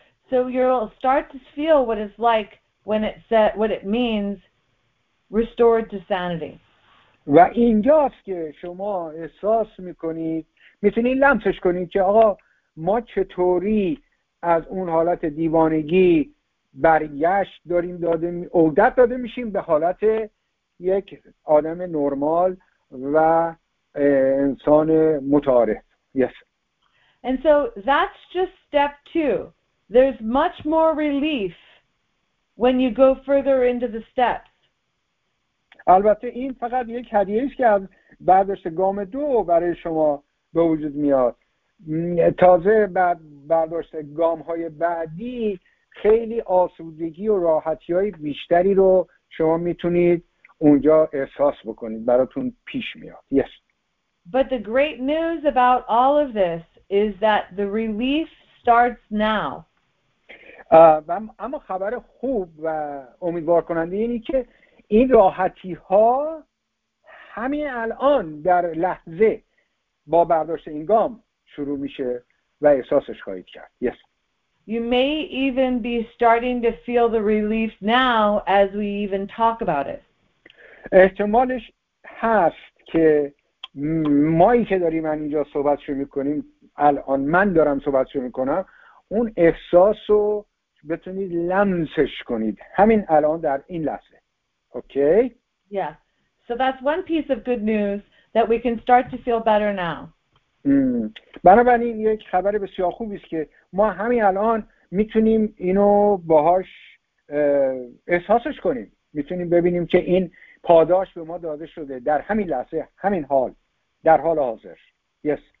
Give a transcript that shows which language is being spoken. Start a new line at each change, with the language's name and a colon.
English: So you'll start to feel what it's like when it said what it means restored to sanity.
Persian: و اینجاست که شما احساس میکنید، میتونید لمسش کنید که آقا ما چطوری از اون حالت دیوانگی برگشت داریم داده عودت داده میشیم به حالت یک آدم نرمال و انسان متعارف.
English: Yes. And so that's just step two. There's much more relief when you go further into the steps.
Persian: البته این فقط یک هدیه است که از بعدش گام دو برای شما به وجود میاد. تازه بعد برداشت گام های بعدی خیلی آسودگی و راحتی های بیشتری رو شما میتونید اونجا احساس بکنید، براتون پیش میاد.
English: Yes. But the great news about all of this is that the relief starts now.
Persian: اما خبر خوب و امیدوار کننده اینی که این راحتی ها همین الان در لحظه با برداشت این گام شروع میشه و احساسش خواهید کرد.
English: Yes. You may even be starting to feel the relief now as we even talk about it.
Persian: احتمالش هست که مایی که داریم اینجا صحبتشو میکنیم، الان من دارم صحبتشو میکنم، اون احساسو بتونید لمسش کنید همین الان در این لحظه.
English: Okay? Yeah. So that's one piece of good news that we can start to feel better now.
Persian: بنابراین یک خبر بسیار خوبی است که ما همین الان میتونیم اینو باهاش احساسش کنیم، میتونیم ببینیم که این پاداش به ما داده شده در همین لحظه، همین حال، در حال حاضر.
English: Yes.